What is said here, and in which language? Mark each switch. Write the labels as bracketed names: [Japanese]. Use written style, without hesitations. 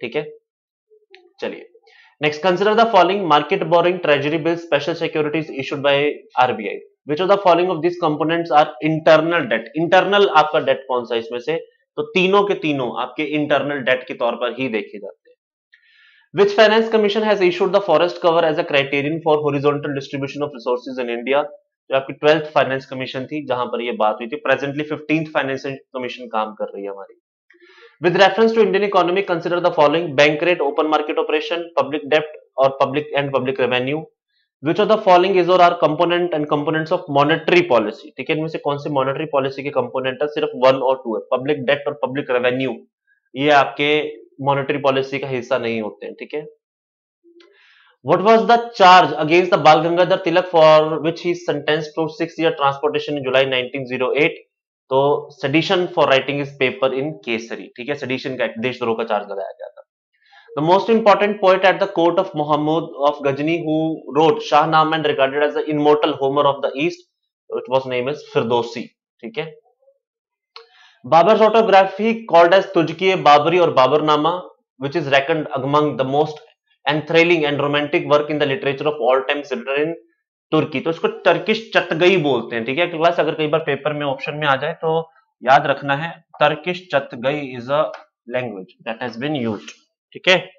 [English] ठीक है, चलिए, next, consider the following market borrowing treasury bill special securities issued by RBI, which of the following of this components are internal debt, [Hindi] internal आपका date कौन सा है इसमें से, तो तीनों के तीनों आपके इंटरनल डेट के तौर पर ही देखे जाते हैं। [English] which finance commission has issued the forest cover as a criterion for horizontal distribution of resources in India, [Hindi] जो आपकी 12th फाइनेंस कमीशन थी जहां पर ये बात हुई थी, प्रेजेंटली 15th फाइनेंस कमीशन काम कर रही है हमारी। [English] With reference to Indian economy, consider the following: bank rate, open market operation, public debt or public and public revenue. Which of the following is or are component and components of monetary policy? [Hindi] ठीक है, इनमें से कौन से monetary policy के component है? सिर्फ one or two है, public debt और public revenue, ये आपके monetary policy का हिस्सा नहीं होते हैं। ठीक है, [English] What was the charge against the Bal Gangadhar Tilak for which he sentenced to 6 year transportation in July 1908? [Hindi] तो [English] Sedition for writing इस paper in Kesari. [Hindi] ठीक है, सेडिशन का देशद्रोह का चार्ज लगाया गया था। [English] The most important poet at the court of Mohammad of Ghazni who wrote Shahnama and regarded as the immortal Homer of the east, it was name is Firdausi. ठीक है, Babur autobiography called as Tuzuk Babri और Baburnama which is reckoned among the most enthralling and romantic work in the literature of all times written in Turki, [Hindi] तो इसको Turkish चतगई बोलते हैं। ठीक है, class अगर कई बार पेपर में ऑप्शन में आ जाए तो याद रखना है, [English] Turkish चतगई is a language that has been used. ठीक है,